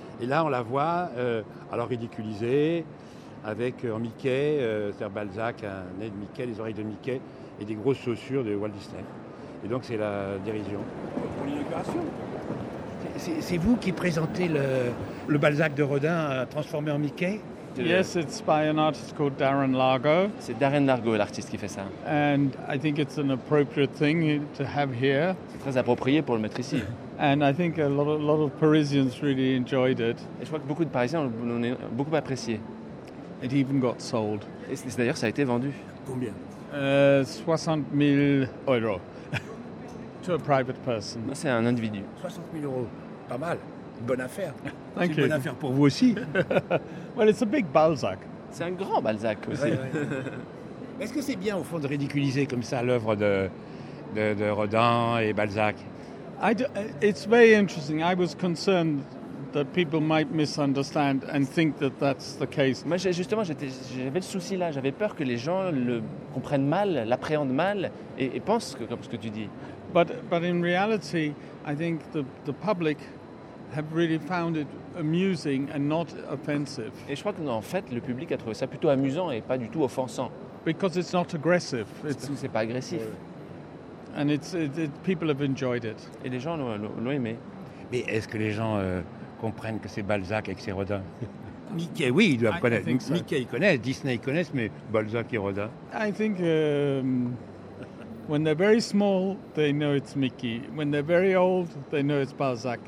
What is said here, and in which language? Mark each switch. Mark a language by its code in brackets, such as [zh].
[fr] Et là, on la voit, alors ridiculisée, avec en Mickey, c'est-à-dire Balzac, un nez de Mickey, les oreilles de Mickey, et des grosses chaussures de Walt Disney. Et donc, c'est la dérision. Pour une décoration. C'est vous qui présentez le Balzac de Rodin transformé en Mickey? [en] Yes, it's by an artist called Darren Largo. [fr] C'est Darren Largo l'artiste qui fait ça. [en] And I think it's an appropriate thing to have here. [fr] C'est très approprié pour le mettre ici. [en] And I think a lot of Parisians really enjoyed it. [fr] Et je crois que beaucoup de Parisiens l'ont beaucoup apprécié. [en] It even got sold. [fr] Et c'est, d'ailleurs, ça a été vendu. Combien? [en] 60 000 euros. To a private person. [fr] Non, c'est un individu. 60 000 euros, pas mal. Bonne affaire. [en] Thank [fr] c'est une bonne [en] you. [fr] Affaire pour vous aussi. [en] Well, it's a big Balzac. [fr] C'est un grand Balzac aussi. Ouais, ouais. Mais est-ce que c'est bien, au fond, de ridiculiser comme ça l'œuvre de Rodin et Balzac? [en] It's very interesting. I was concerned that people might misunderstand and think that that's the case. [fr] Moi, justement, j'avais le souci là. J'avais peur que les gens le comprennent mal, l'appréhendent mal et pensent que, comme ce que tu dis. [en] But in reality, I think the public have really found it amusing and not offensive. [fr] Et je crois que en fait le public a trouvé ça plutôt amusant et pas du tout offensant. [en] Because it's not aggressive. [fr] C'est pas agressif. [en] And it's people have enjoyed it. [fr] Et les gens l'ont aimé. Mais est-ce que les gens comprennent que c'est Balzac et que c'est Rodin? Mickey, oui, ils doivent connaître. [en] So. [fr] Mickey, ils connaissent. Disney, ils connaissent, mais Balzac et Rodin. [en] I think when they're very small, they know it's Mickey. When they're very old, they know it's Balzac.